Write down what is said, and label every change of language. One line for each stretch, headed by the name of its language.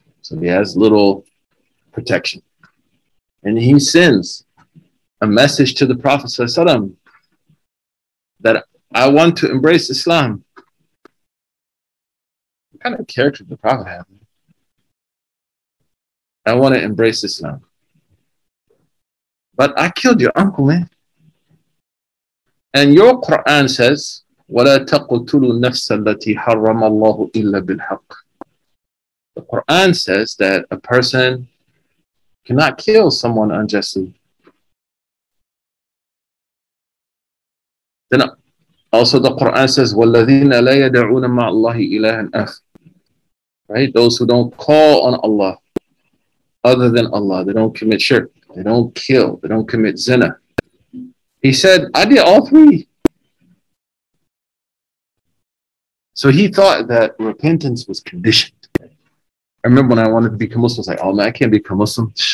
English: So he has little protection. And he sends a message to the Prophet that I want to embrace Islam. What kind of character did the Prophet have? I want to embrace Islam. But I killed your uncle, man. And your Quran says,
Arabic: وَلَا تَقْتُلُوا نَفْسَ الَّتِي حَرَّمَ اللَّهُ إِلَّا بِالْحَقِّ.
English: The Quran says that a person cannot kill someone unjustly. Then also the Quran says,
Arabic: وَالَّذِينَ لَا يَدَعُونَ مَعَ اللَّهِ إِلَهًا أَخْرَ.
English: Right? Those who don't call on Allah other than Allah, they don't commit shirk, they don't kill, they don't commit zina. He said, I did all three. So he thought that repentance was conditioned. I remember when I wanted to become Muslim, I was like, oh man, I can't become Muslim.